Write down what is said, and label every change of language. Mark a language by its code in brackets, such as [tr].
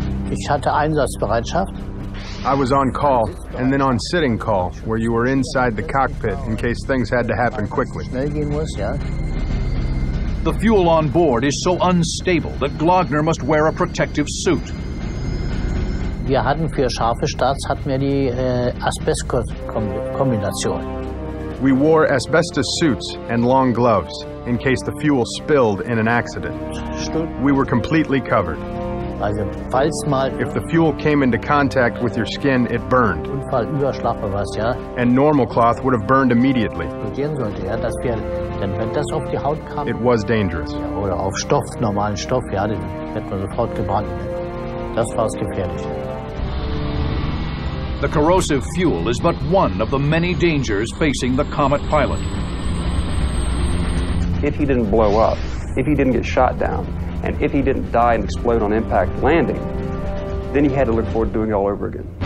[de] Ich hatte Einsatzbereitschaft. [en] I was on call, and then on sitting call, where you were inside the cockpit in case things had to happen quickly. The fuel on board is so unstable that Glogner must wear a protective suit. [de] Wir hatten für scharfe Starts hatten wir die Asbestos-Kombination. [en] We wore asbestos suits and long gloves in case the fuel spilled in an accident. We were completely covered. [de] Also, falls mal [en] if the fuel came into contact with your skin, it burned. [de] Unfall, Überschlag oder was, ja? [en] And normal cloth would have burned immediately. It was dangerous. [de] Oder auf Stoff, normalen Stoff, ja, den hätte man sofort gebrannt. Das war das Gefährliche. [en] The corrosive fuel is but one of the many dangers facing the Komet pilot. If he didn't blow up, if he didn't get shot down, and if he didn't die and explode on impact landing, then he had to look forward to doing it all over again.